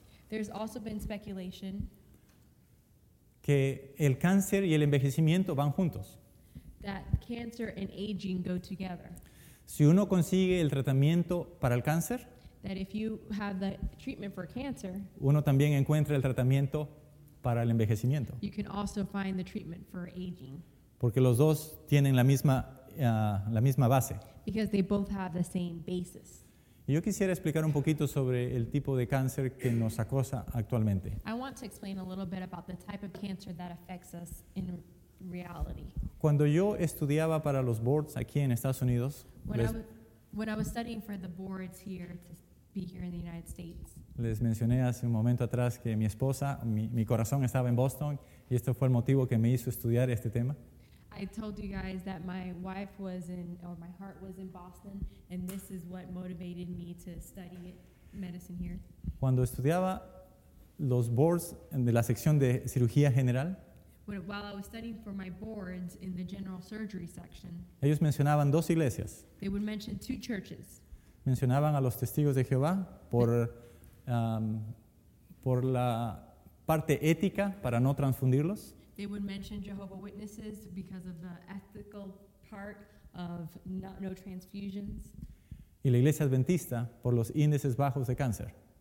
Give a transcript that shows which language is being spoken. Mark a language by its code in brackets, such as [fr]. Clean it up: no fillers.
[en] There's also been speculation. [es] Que el cáncer y el envejecimiento van juntos. [en] That cancer and aging go together. [es] Si uno consigue el tratamiento para el cáncer, [en] that if you have the treatment for cancer, [es] uno también encuentra el tratamiento para el envejecimiento. [en] You can also find the treatment for aging. [es] Porque los dos tienen la misma base. [en] Because they both have the same basis. [es] Y yo quisiera explicar un poquito sobre el tipo de cáncer que nos acosa actualmente. [en] I want to explain a little bit about the type of cancer that affects us in reality. [es] Cuando yo estudiaba para los boards aquí en Estados Unidos, [en] when I was studying for the boards here to be here in the United States, [es] les mencioné hace un momento atrás que mi esposa, mi corazón estaba en Boston y esto fue el motivo que me hizo estudiar este tema. [en] I told you guys that my wife was in, or my heart was in Boston, and this is what motivated me to study medicine here. [es] Cuando estudiaba los boards de la sección de cirugía general, [en] while I was studying for my boards in the general surgery section, [es] ellos mencionaban dos iglesias. [en] They would mention two churches. [es] Mencionaban a los testigos de Jehová por la parte ética para no transfundirlos. [en] They would mention Jehovah's Witnesses because of the ethical part of no transfusions. [es] Y la Iglesia Adventista por los índices bajos de cáncer.